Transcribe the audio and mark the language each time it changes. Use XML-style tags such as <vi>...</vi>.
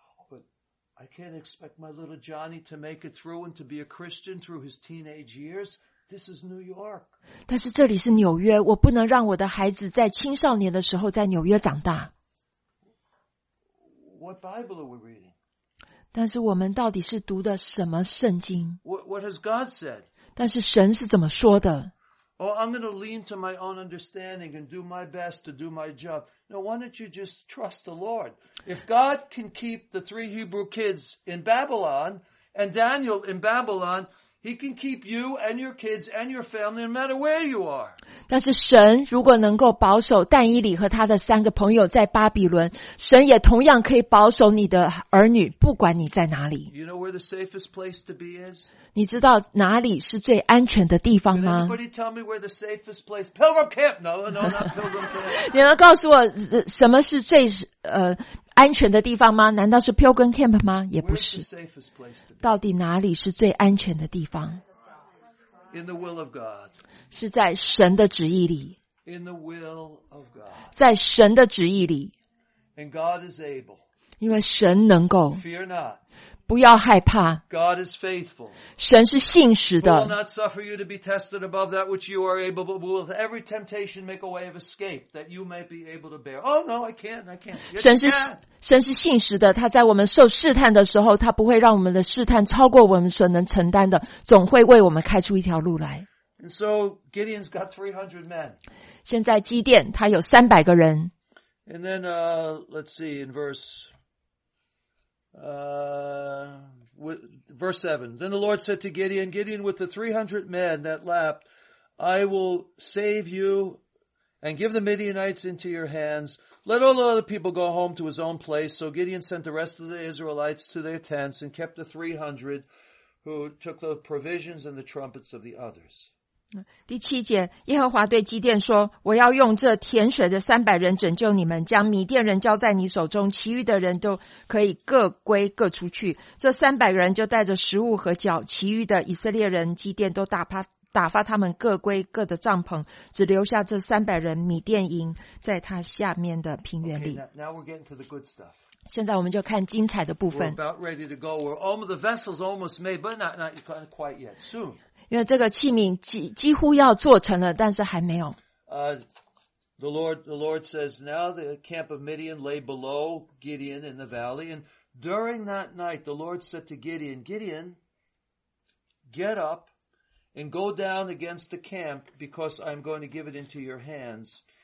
<en>But I can't expect my little Johnny to make it through and to be a Christian through his teenage years. This is New York.</en> <zh>但是这里是纽约，我不能让我的孩子在青少年的时候在纽约长大。</zh> <en>What Bible are we reading?</en> <zh>但是我们到底是读的什么圣经？</zh> <en>What has God said?</en> <zh>但是神是怎么说的？</zh> <en>Oh, I'm going to lean to my own understanding and do my best to do my job. Now, why don't you just trust the Lord? If God can keep the three Hebrew kids in Babylon and Daniel in Babylon, He can keep you and your kids and your family no matter where you are.</en> <zh>但是神如果能够保守但以理和他的三个朋友在巴比伦，神也同样可以保守你的儿女，不管你在哪里。</zh> <en>You know where the safest place to be is?</en> <zh>你知道哪里是最安全的地方吗？</zh> <en>Anybody tell me where the safest place? Pilgrim Camp? No, not Pilgrim Camp.</en> <zh>你能告诉我什么是最安全的地方吗？难道是 Pilgrim Camp 吗？也不是。到底哪里是最安全的地方？</zh> <en>In the will of God.</en> <zh>是在神的旨意里。</zh> <en>In the will of God.</en> <zh>在神的旨意里。</zh> <en>And God is able.</en> <zh>因为神能够。</zh> <en>Fear not.</en> <zh>不要害怕。</zh> <en>God is faithful.</en> <zh>神是信实的。</zh> <en>He will not suffer you to be tested above that which you are able, but will with every temptation make a way of escape that you might be able to bear. Oh no, I can't, I can't.</en> <zh>神是信实的，他在我们受试探的时候，他不会让我们的试探超过我们所能承担的，总会为我们开出一条路来。</zh> <en>And so Gideon's got 300 men.</en> <zh>现在基甸他有300个人。</zh> <en>And then, let's see, in verse 7. Then the Lord said to Gideon, Gideon, with the 300 men that lapped, I will save you and give the Midianites into your hands. Let all the other people go home to his own place. So Gideon sent the rest of the Israelites to their tents and kept the 300 who took the provisions and the trumpets of the others.</en> <zh>第七节，耶和华对基甸说，我要用这甜水的300人拯救你们，将米甸人交在你手中，其余的人都可以各归各出去。这300人就带着食物和脚，其余的以色列人基甸都打发他们各归各的帐篷，只留下这300人米甸营在他下面的平原里。</zh> <en>Okay, now we're getting to the good stuff.</en> <zh>现在我们就看精彩的部分。</zh> <en>We're about ready to go. We're almost, the vessel's almost made, but not quite yet. Soon.</en> <zh>因为这个器皿几乎要做成了，但是还没有。</zh> <en>The Lord says, now the camp of Midian lay below Gideon in the valley, and during that night the Lord said to Gideon, Gideon, get up and go down against the camp, because I'm going to give it into your hands.</en>